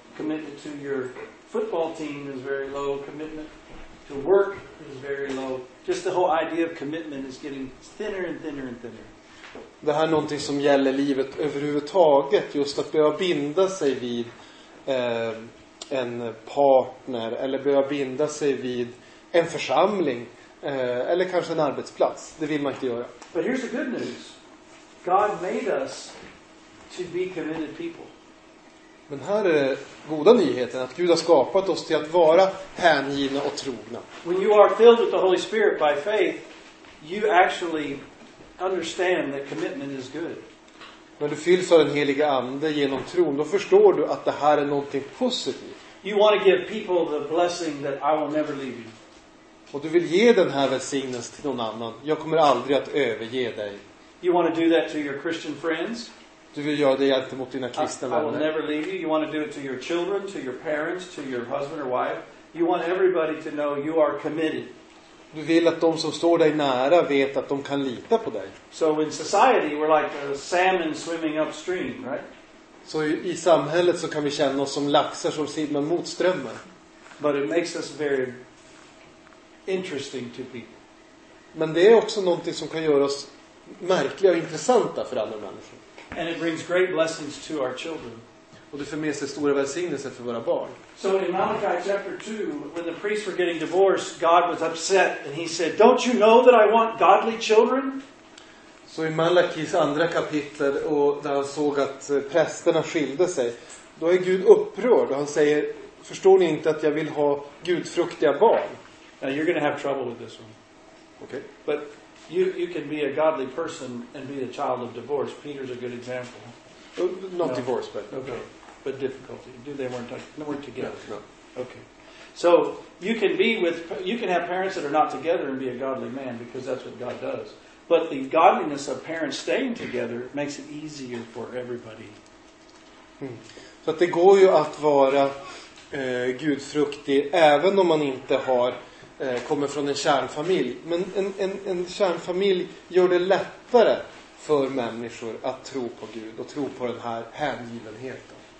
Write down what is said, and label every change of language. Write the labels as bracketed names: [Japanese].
[English] Commitment to your football team is very low. Commitment to work is very low. Just the whole idea of commitment is getting thinner and thinner and thinner. [Swedish] Det här är någonting som gäller livet överhuvudtaget, just att behöva binda sig vid en partner eller behöva binda sig vid en församling eller kanske en arbetsplats. Det vill man inte göra. [English] But here's the good news. God made us to be committed people. [Swedish] Men här är goda nyheten, att Gud har skapat oss till att vara hängivna och trogna. [English] When you are filled with the Holy Spirit by faith, you actually understand that commitment is good. [Swedish] När du fylls av den heliga ande genom tron, då förstår du att det här är någonting positivt. [English] You want to give people the blessing that I will never leave you. [Swedish] Och du vill ge den här välsignelsen till någon annan. Jag kommer aldrig att överge dig. [English] You want to do that to your Christian friends? [Swedish] Du vill göra det gentemot dina kristna vänner. [English] I will never leave you. You want to do it to your children, to your parents, to your husband or wife. You want everybody to know you are committed. [Swedish] Du vill att de som står dig nära vet att de kan lita på dig. [English] So in society we're like a salmon swimming upstream, right? [Swedish] Så i samhället så kan vi känna oss som laxar som simmar mot strömmen. [English] But it makes us very interesting to people. [Swedish] Men det är också någonting som kan göra oss märkliga och intressanta för andra människor. [English] And it brings great blessings to our children. [Swedish] Och det för med sig stora välsignelser för våra barn. [English] So in Malachi chapter 2, when the priests were getting divorced, God was upset and he said, "Don't you know that I want godly children?" [Swedish] Så i Malakis andra kapitel och där han såg att prästerna skilde sig, då är Gud upprörd och han säger, "Förstår ni inte att jag vill ha gudfruktiga barn?" [English] Now you're going to have trouble with this one. Okay. But you can be a godly person and be a child of divorce. Peter's a good example. Not no. Divorce, but okay. But difficulty. Do they weren't together? No. Okay. So you can have parents that are not together and be a godly man because that's what God does. But the godliness of parents staying together makes it easier for everybody. [Swedish] Så att det går ju att vara gudfruktig även om man inte har kommer från en kärnfamilj. Men en kärnfamilj gör det lättare för människor att tro på Gud och tro på den här hängivenheten.